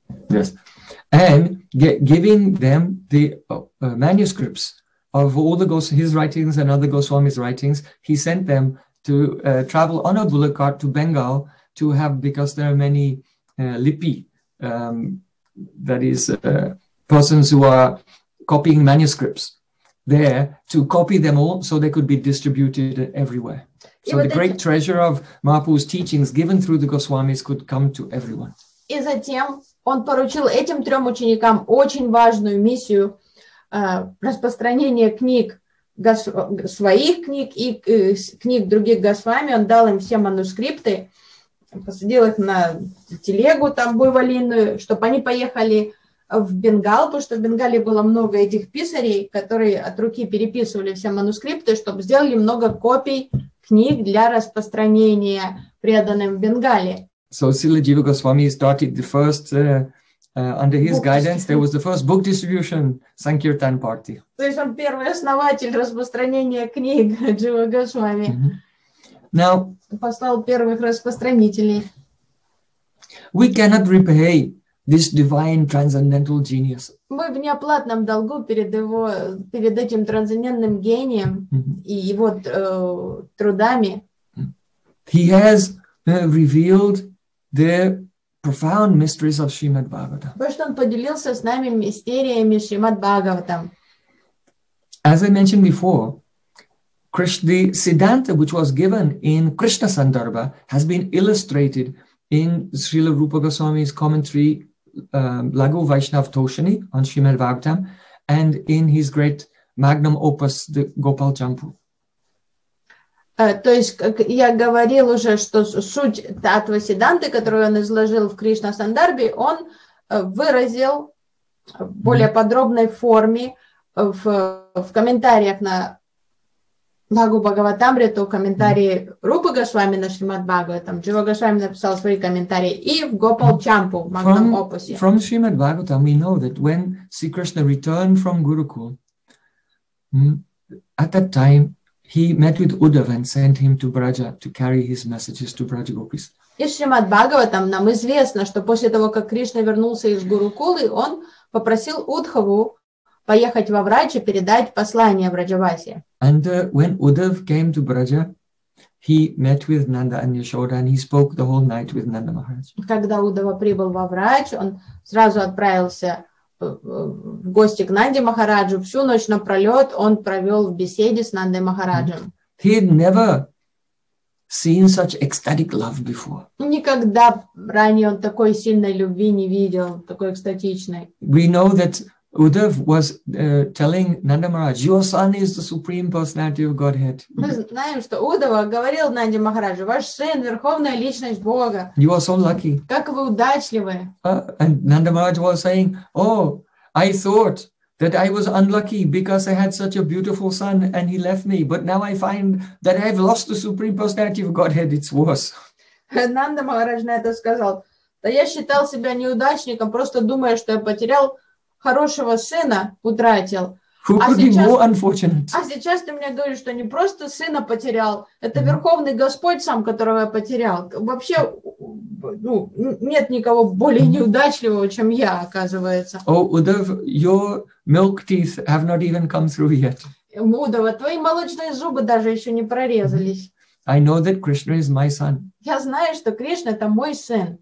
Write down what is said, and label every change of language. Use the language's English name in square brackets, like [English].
[English] Yes. And giving them the manuscripts of all the his writings and other Goswami's writings, he sent them to travel on a bullock cart to Bengal to have, because there are many lippi, that is, persons who are copying manuscripts there, to copy them all so they could be distributed everywhere. So the great treasure of Mahaprabhu's teachings given through the Goswamis could come to everyone. [Russian] И затем он поручил этим трем ученикам очень важную миссию распространения книг, своих книг и книг других Госвами. Он дал им все манускрипты, посадил их на телегу там буйволиную, чтобы они поехали в Бенгал, потому что в Бенгале было много этих писарей, которые от руки переписывали все манускрипты, чтобы сделали много копий книг для распространения преданным в Бенгале. [English] So Srila Jiva Goswami started the first, under his guidance, there was the first book distribution Sankirtan party. [Russian] То есть он первый основатель распространения книг Джива Госвами. [English] Now, [Russian] послал первых распространителей. [English] We cannot repay this divine transcendental genius. [Russian] Мы в неоплатном долгу перед его, перед этим трансцендентным гением и его трудами. [English] He has revealed the profound mysteries of Srimad Bhagavatam. [Russian] Потому что он поделился с нами мистериями Шримад Бхагаватам. [English] As I mentioned before, the Siddhanta, which was given in Krishna Sandarbha, has been illustrated in Srila Rupa Goswami's commentary Lagu Vaishnav Toshani on Srimad Bhagavatam and in his great magnum opus, the Gopal Champu. [Russian] То есть, как я говорил уже, что суть Таттва Сидданты, которую он изложил в Кришна Сандарбе, он выразил в более подробной форме в комментариях на Лагу Бхагаватамриту, комментарии Рупы Госвами на Шримад Бхагаватам. Джива Госвами написал свои комментарии и в Гопал Чампу, в магнум опусе. [English] From Шримад Бхагаватам we know that when Sri Krishna returned from Gurukul, at that time, he met with Uddhava and sent him to Braja to carry his messages to Braja Gopis. [Russian] Из Шримад Бхагаватам нам известно, что после того, как Кришна вернулся из Гурукулы, он попросил Удхаву поехать во Врадж и передать послание Враджавасе. [English] And when Uddhava came to Braja, he met with Nanda and Yashoda and he spoke the whole night with Nanda Maharaj. [Russian] Когда Удхава прибыл во Врадж, он сразу отправился в гости к Нанде Махараджу, всю ночь напролет он провел в беседе с Нандой Махараджем. [English] He had never seen such ecstatic love before. [Russian] Никогда ранее он такой сильной любви не видел, такой экстатичной. [English] We know that Uddhav was telling Nanda Maharaj, your son is the supreme personality of Godhead. [Russian] Мы знаем, что Удава говорил Нанде Махараджу, ваш сын верховная личность Бога. [English] You are so lucky. [Russian] Как вы удачливы. [English] And Nanda Maharaj was saying, oh, I thought that I was unlucky because I had such a beautiful son and he left me, but now I find that I've lost the supreme personality of Godhead. It's worse. [Russian] Нанда Махарадж на это сказал, да я считал себя неудачником, просто думая, что я потерял хорошего сына утратил. [English] Who could be more unfortunate? [Russian] А сейчас ты мне говоришь, что не просто сына потерял, это Верховный Господь сам, которого я потерял. Вообще, ну, нет никого более неудачливого, чем я, оказывается. [English] Oh, Uddhav, your milk teeth have not even come through yet. [Russian] Удава, твои молочные зубы даже еще не прорезались. [English] I know that Krishna is my son. [Russian] Я знаю, что Кришна это мой сын.